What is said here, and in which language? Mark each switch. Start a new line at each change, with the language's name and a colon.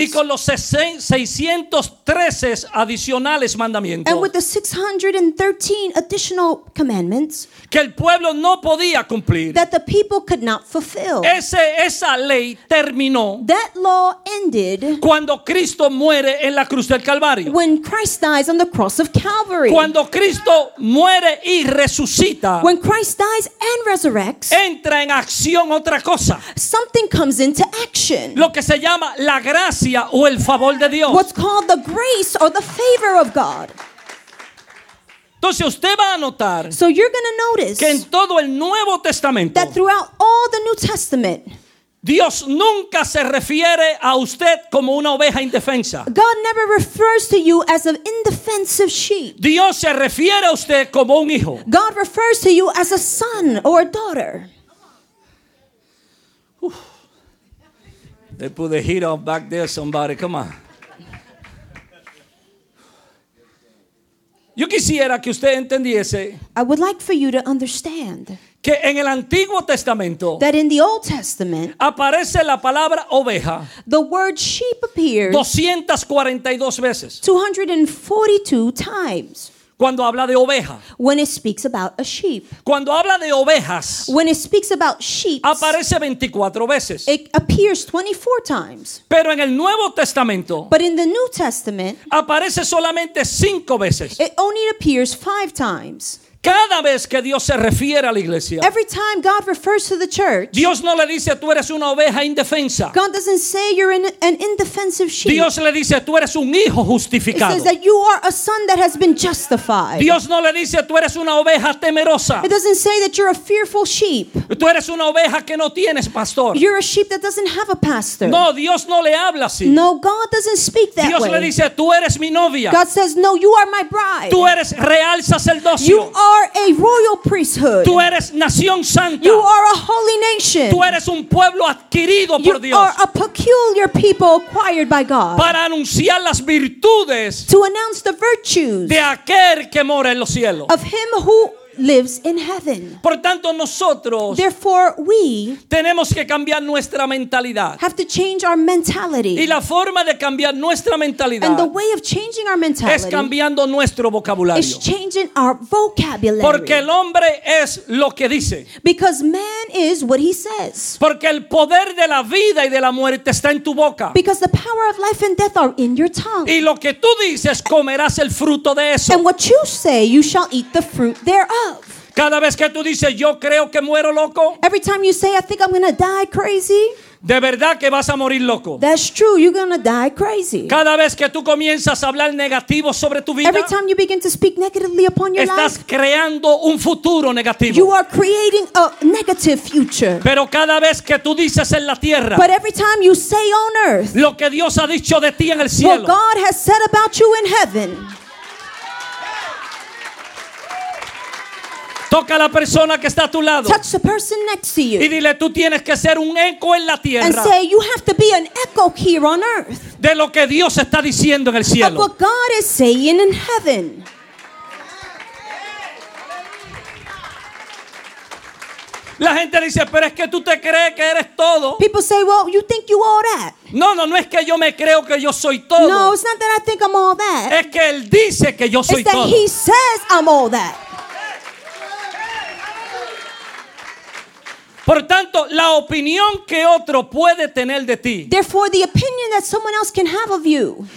Spanish: y con los 613 adicionales mandamientos,
English: and with the 613 additional commandments,
Spanish: que el pueblo no podía cumplir,
English: that the people could not fulfill.
Spanish: Esa ley terminó,
English: that law ended,
Spanish: cuando Cristo muere en la cruz del Calvario,
English: when Christ dies on the cross of Calvary.
Spanish: Cuando Cristo muere y resucita,
English: when Christ dies and resurrects,
Spanish: entra en acción otra cosa,
English: something comes into action.
Spanish: Lo que se llama la gracia o el favor de Dios.
English: What's called the grace or the favor of God.
Spanish: Entonces usted va a notar,
English: so you're going to notice,
Spanish: que en todo el Nuevo Testamento,
English: that throughout all the New Testament,
Spanish: Dios nunca se refiere a usted como una oveja indefensa.
English: God never refers to you as an indefensive sheep.
Spanish: Dios se refiere a usted como un hijo.
English: God refers to you as a son or a daughter. They put the heat off back there, somebody. Come on.
Spanish: Yo quisiera que usted entendiese,
English: I would like for you to understand,
Spanish: que en el Antiguo Testamento,
English: that in the Old Testament,
Spanish: aparece la palabra oveja,
English: the word sheep appears
Spanish: 242 veces.
English: 242 times.
Spanish: Cuando habla de oveja.
English: When it speaks about a sheep.
Spanish: Cuando habla de ovejas.
English: When it speaks about sheep.
Spanish: Aparece 24 veces.
English: It appears 24 times.
Spanish: Pero en el Nuevo Testamento.
English: But in the New Testament.
Spanish: Aparece solamente 5 veces.
English: It only appears 5 times.
Spanish: Cada vez que Dios se refiere a la iglesia,
English: every time God refers to the church,
Spanish: Dios no le dice tú eres una oveja indefensa.
English: God doesn't say you're an indefensive sheep.
Spanish: Dios le dice tú eres un hijo justificado.
English: It says that you are a son that has been justified.
Spanish: Dios no le dice tú eres una oveja temerosa.
English: It doesn't say that you're a fearful sheep.
Spanish: Tú eres una oveja que no tienes pastor.
English: You're a sheep that doesn't have a pastor.
Spanish: No, Dios no le habla así.
English: No, God doesn't speak that
Spanish: Dios
English: way.
Spanish: Dios le dice tú eres mi novia.
English: God says no, you are my bride.
Spanish: Tú eres real sacerdocio.
English: You are a royal priesthood.
Spanish: Tú eres nación santa.
English: You are a holy nation.
Spanish: Tú eres un pueblo adquirido por Dios.
English: You are a peculiar people acquired by God.
Spanish: Para anunciar las virtudes,
English: to announce the virtues,
Spanish: de aquel que mora en los cielos,
English: of him who lives in heaven.
Spanish: Por tanto, nosotros,
English: therefore we,
Spanish: tenemos que cambiar nuestra mentalidad.
English: Have to change our mentality.
Spanish: Y la forma de cambiar nuestra mentalidad,
English: and the way of changing our mentality,
Spanish: es cambiando nuestro vocabulario.
English: Is changing our vocabulary.
Spanish: Porque el hombre es lo que dice.
English: Because man is what he says.
Spanish: Porque el poder de la vida y de la muerte está en tu boca.
English: Because the power of life and death are in your tongue.
Spanish: Y lo que tú dices, comerás el fruto de eso.
English: And what you say, you shall eat the fruit thereof.
Spanish: Cada vez que tú dices yo creo que muero loco,
English: every time you say I think I'm gonna die crazy,
Spanish: De verdad que vas a morir loco.
English: That's true, you're gonna die crazy.
Spanish: Cada vez que tú comienzas a hablar negativo sobre tu vida,
English: every time you begin to speak negatively upon your
Spanish: estás
English: life,
Spanish: creando un futuro negativo.
English: You are creating a negative future.
Spanish: Pero cada vez que tú dices en la tierra,
English: but every time you say on earth,
Spanish: lo que Dios ha dicho de ti en el cielo,
English: what God has said about you in heaven.
Spanish: Toca a la persona que está a tu lado.
English: Touch the person next to you.
Spanish: Y dile, tú tienes que ser un eco en la tierra.
English: And say, you have to be an echo here on earth.
Spanish: De lo que Dios está diciendo en el cielo.
English: Of what God is saying in heaven.
Spanish: La gente dice, pero es que tú te crees que eres todo.
English: People say, well, you think you all that.
Spanish: No, no, no es que yo me creo que yo soy todo.
English: No, it's not that I think I'm all that.
Spanish: Es que él dice que yo soy
English: todo. It's that he says I'm all that.
Spanish: Por tanto, la opinión que otro puede tener de ti.
English: Therefore, the opinion that someone else can have of you.